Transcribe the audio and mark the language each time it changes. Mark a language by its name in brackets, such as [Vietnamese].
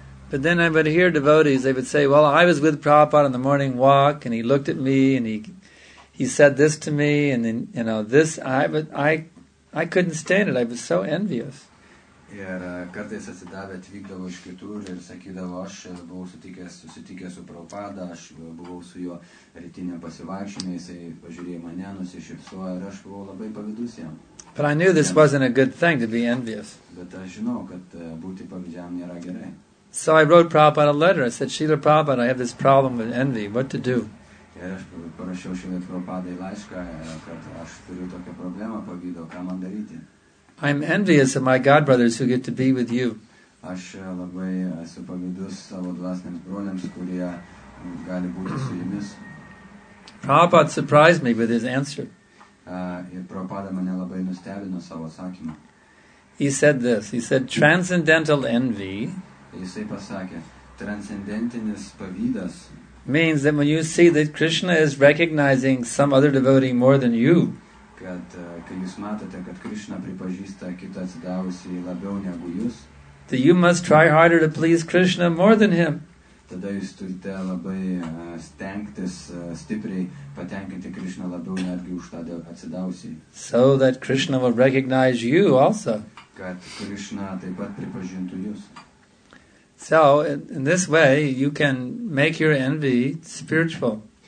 [English] But then I would hear devotees, they would say, well, I was with Prabhupada on the morning walk and he looked at me and he said this to me and then, you know, this, I couldn't stand it. I was so envious. [Lithuanian] Ir kartais atsidavę atvykdavo iš kitur ir sakydavo, aš buvau susitikęs su Prabhupada, aš buvau su juo rytinė pasivaikščiojime, jisai pažiūrėjo mane, nusišypsojo ir aš buvau labai pavydus jam. [English] But I knew this wasn't a good thing to be envious. [Lithuanian] Bet aš žinau, kad būti pavydžiam nėra gerai. [English] So I wrote Prabhupada a letter. I said, Srila Prabhupada, I have this problem with envy. What to do? [Lithuanian] Ir aš parašiau Srila Prabhupadai laišką, kad aš turiu tokią problemą pavydo, ką man daryti. [English] I'm envious of my god brothers who get to be with you. [Lithuanian] Aš labai esu pavydus savo dvasiniams broliams, kurie gali būti su jumis. [English] Prabhupada surprised me with his answer. [Lithuanian] Ir Prabhupada mane labai nustebino savo atsakymu. [English] He said this. He said transcendental envy. [Lithuanian] Jisai pasakė, transcendentinis pavydas [English] means that when you see that Krishna is recognizing some other devotee more than you. [Lithuanian] Kad kai jūs matote, kad Krishna pripažįsta kitą atsidavusį labiau negu jūs, [English] that you must try harder to please Krishna more than him. [Lithuanian] Tada jūs turite labai stengtis stipriai patenkinti Krishna labiau netgi už tą atsidavusį. [English] So that Krishna will recognize you also. [Lithuanian] Kad Krishna taip pat pripažintų jūs. [English] So, in this way, you can make your envy spiritual.